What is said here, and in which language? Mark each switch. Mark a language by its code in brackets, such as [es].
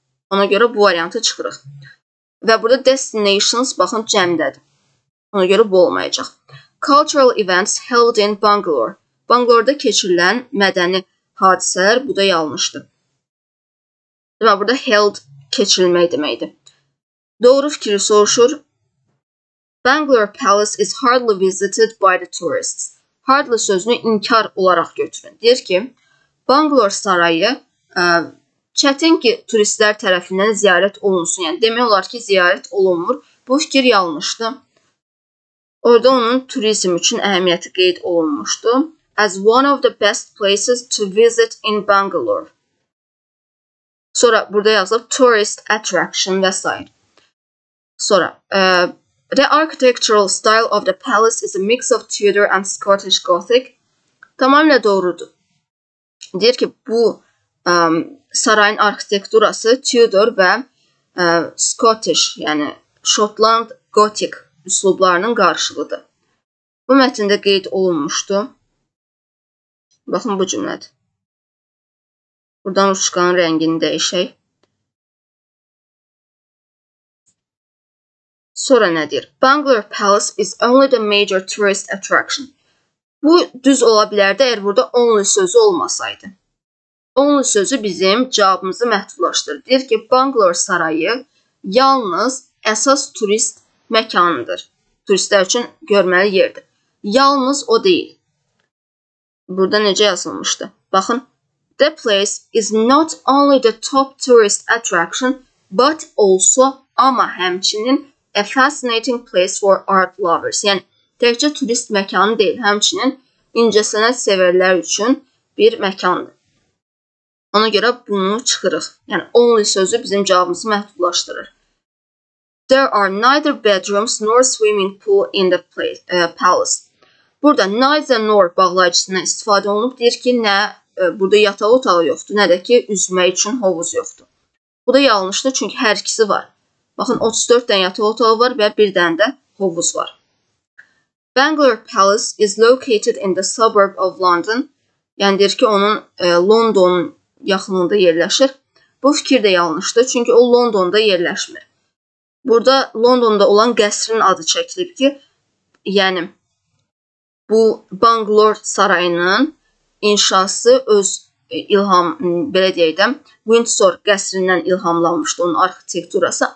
[az] Ona görə bu variantı çıxırıq. Və burada destinations, baxın, cəmdədir. Ona görə bu olmayacaq. [en] Cultural events held in Bangalore. [az] Bangalore-da keçirilən mədəni hadisələr, bu da yanlışdır. Demə, burada held keçirilmək deməkdir. Doğru fikri soruşur. [en] Bangalore Palace is hardly visited by the tourists. [az] Hardly sözünü inkar olaraq götürün. Deyir ki, Bangalore sarayı çətin ki, turistlər tərəfindən ziyarət olunsun. Yəni, demək olar ki, ziyarət olunmur. Bu fikir yanlışdır. Orada onun turizm üçün əhəmiyyəti qeyd olunmuşdu. [en] As one of the best places to visit in Bangalore. [az] Sonra burada yazılıb [en] tourist attraction [az] və s. Sonra... [en] The architectural style of the palace is a mix of Tudor and Scottish Gothic. [az] Tamamilə doğrudur. Deyir ki, bu sarayın arxitekturası Tudor və Scottish, yəni Şotland Gothic üslublarının qarşılığıdır. Bu mətndə qeyd olunmuşdu. Baxın bu cümlədir. Buradan uçqanın rəngini dəyişək. Sonra nədir? [en] Bangalore Palace is only the major tourist attraction. [az] Bu düz ola bilərdi əgər burada only sözü olmasaydı. Only sözü bizim cavabımızı məhdudlaşdırır. Deyir ki, Bangalore sarayı yalnız əsas turist məkanıdır. Turistlər üçün görməli yerdir. Yalnız o deyil. Burada necə yazılmışdı? Baxın. [en] The place is not only the top tourist attraction, but also [az] ama həmçinin [en] a fascinating place for art lovers. [az] Yəni, təkcə turist məkanı deyil, həmçinin incəsənət sevərlər üçün bir məkandır. Ona görə bunu çıxırıq. Yəni, only sözü bizim cavabımızı məhdudlaşdırır. [en] There are neither bedrooms nor swimming pool in the place, palace. [az] Burada neither nor bağlayıcısından istifadə olunub, deyir ki, nə burada yataq otağı yoxdur, nə də ki, üzmək üçün hovuz yoxdur. Bu da yanlışdır, çünki hər ikisi var. Baxın, 34 dənə yataq otağı var və bir dənə də hovuz var. Bangalore Palace is located in the suburb of London. Yəni, deyir ki, onun Londonun yaxınında yerləşir. Bu fikir də yanlışdır, çünki o Londonda yerləşmir. Burada Londonda olan qəsrin adı çəkilib ki, yəni, bu Bangalore sarayının inşası öz ilham, belə deyək də, Windsor qəsrindən ilhamlanmışdı onun arxitekturası.